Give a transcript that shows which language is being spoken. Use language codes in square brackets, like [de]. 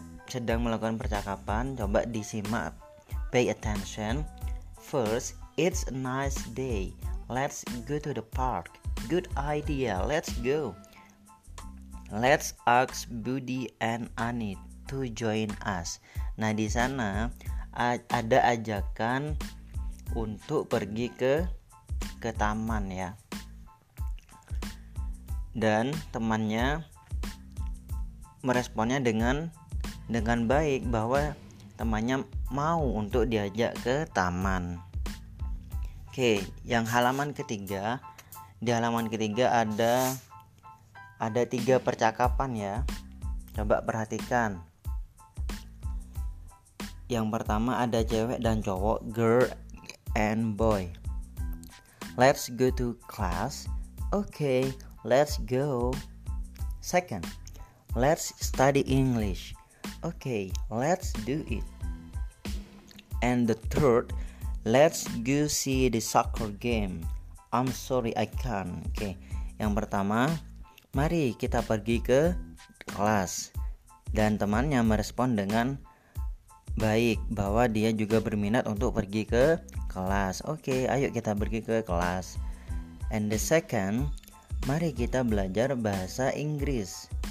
[id] Sedang melakukan percakapan. Coba disimak, [en] pay attention. First, it's a nice day, let's go to the park. Good idea, let's go. Let's ask Buddy and Annie to join us. [id] Nah, di sana ada ajakan untuk pergi ke taman ya, dan temannya meresponnya dengan baik bahwa temannya mau untuk diajak ke taman. Oke, yang halaman ketiga, di halaman ketiga ada tiga percakapan ya. Coba perhatikan. Yang pertama ada cewek dan cowok, [en] girl and boy. Let's go to class. Okay, let's go. Second, let's study English. Okay, let's do it. And the third, let's go see the soccer game. I'm sorry, I can't. [id] Okay, yang pertama, mari kita pergi ke kelas. Dan temannya merespon dengan baik bahwa dia juga berminat untuk pergi ke kelas. Okay, ayo kita pergi ke kelas. [en] And the second, [id] mari kita belajar bahasa Inggris.